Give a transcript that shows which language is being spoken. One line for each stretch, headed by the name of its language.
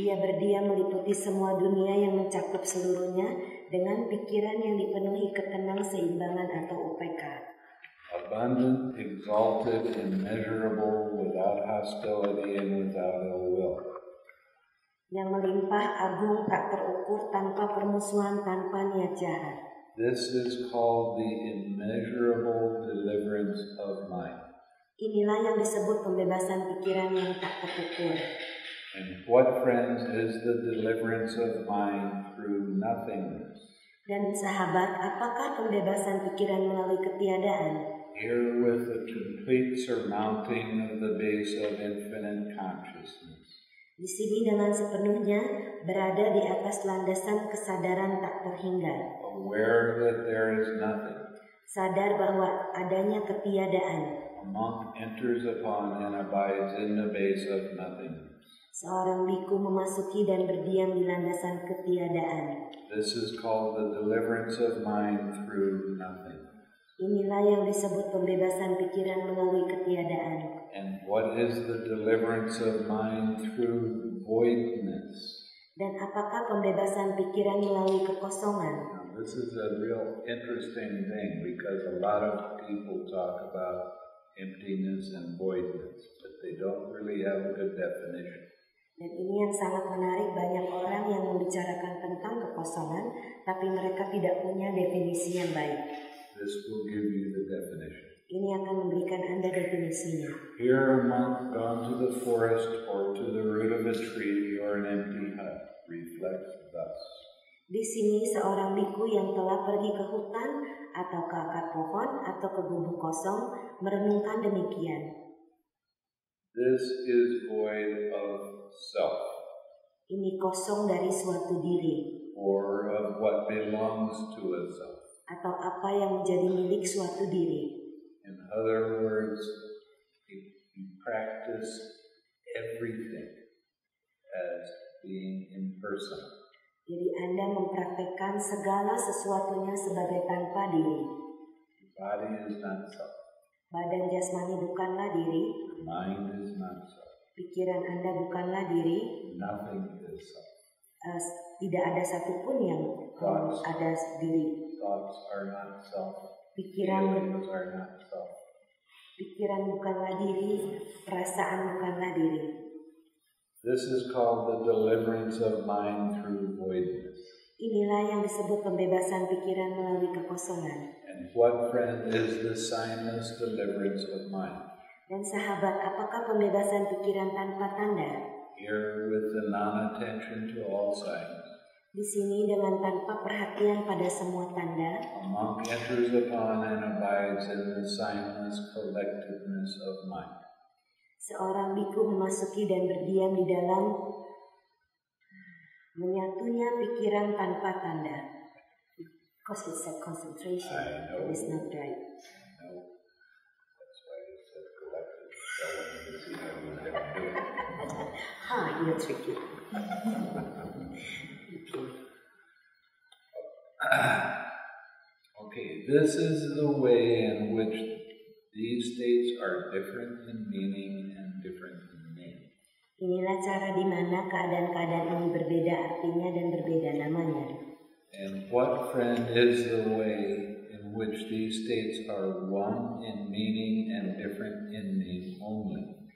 Indonesian: Dia berdiam meliputi semua dunia yang mencakup seluruhnya dengan pikiran yang dipenuhi ketenang seimbangan atau upeka.
English: Abundant, exalted, immeasurable, without hostility and without ill will.
Indonesian: Yang melimpah, agung, tak terukur, tanpa permusuhan, tanpa niat jahat.
English: This is called the immeasurable deliverance of mind.
Indonesian: Inilah yang disebut pembebasan pikiran yang tak terukur.
English: And what, friends, is the deliverance of mind through nothingness?
Indonesian: Dan sahabat, apakah pembebasan pikiran melalui ketiadaan?
English: Here with the complete surmounting of the base of infinite consciousness.
Indonesian: Di sini dengan sepenuhnya berada di atas landasan kesadaran tak terhingga.
English: Aware that there is nothing.
Indonesian: Sadar bahwa adanya ketiadaan.
English: A monk enters upon and abides in the base of nothingness.
Indonesian: Seorang biku memasuki dan berdiam di landasan ketiadaan.
English: This is called the deliverance of mind through nothing.
Indonesian: Inilah yang disebut pembebasan pikiran melalui ketiadaan.
English: And what is the deliverance of mind through voidness?
Indonesian: Dan apakah pembebasan pikiran melalui kekosongan?
English: Now, this is a real interesting thing because a lot of people talk about emptiness and voidness, but they don't really have a good definition.
Indonesian: Dan ini yang sangat menarik, banyak orang yang membicarakan tentang kekosongan, tapi mereka tidak punya definisi yang baik.
English: This will give you the definition.
Indonesian: Ini akan memberikan Anda definisinya.
English: Here a monk gone to the forest or to the root of a tree or an empty hut reflects thus.
Indonesian: Di sini seorang biku yang telah pergi ke hutan atau ke akar pohon atau ke gubuk kosong merenungkan demikian.
English: This is void of self.
Indonesian: Ini kosong dari suatu diri.
English: Or of what belongs to a self.
Indonesian: Atau apa yang menjadi milik suatu diri.
English: In other words, you practice everything as being impersonal.
Indonesian: Jadi Anda mempraktikkan segala sesuatunya sebagai tanpa diri.
English: The body is not self.
Indonesian: Badan jasmani bukanlah diri.
English: The mind is not self.
Indonesian: Pikiran Anda bukanlah diri.
English: Nothing is self.
Indonesian: Tidak ada satupun yang thoughts, ada diri.
English: Thoughts are not self.
Indonesian: Pikiran bukanlah diri, perasaan bukanlah diri.
English: This is called the deliverance of mind through voidness.
Indonesian: Inilah yang disebut pembebasan pikiran melalui kekosongan.
English: And what, friend, is the signless deliverance of mind?
Indonesian: Dan sahabat, apakah pembebasan pikiran tanpa tanda?
English: Here with the non-attention to all signs.
Indonesian: Di sini dengan tanpa perhatian pada semua tanda.
English: A monk enters upon and abides in the signless collectiveness of mind.
Indonesian: Seorang biku memasuki dan berdiam di dalam menyatunya pikiran tanpa tanda.
English: Because it's a concentration. I know. It's not right. I know. That's why it's a collective. Ha, you're tricky. Okay, this is the way in which these states are different in meaning and different in name.
Indonesian: Inilah cara di mana keadaan-keadaan ini berbeda artinya dan berbeda namanya.
English: And what, friend, is the way in which these states are one in meaning and different in name only?